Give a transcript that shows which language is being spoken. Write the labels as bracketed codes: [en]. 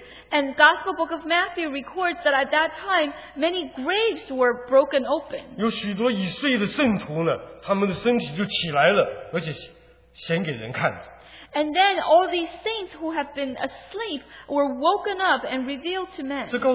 [en] and the Gospel Book of Matthew records that at that time, many graves were broken open. [zh] 有许多已睡的圣徒呢,他们的身体就起来了,而且显给人看着。 [en] And then all these saints who have been asleep were woken up and revealed to men.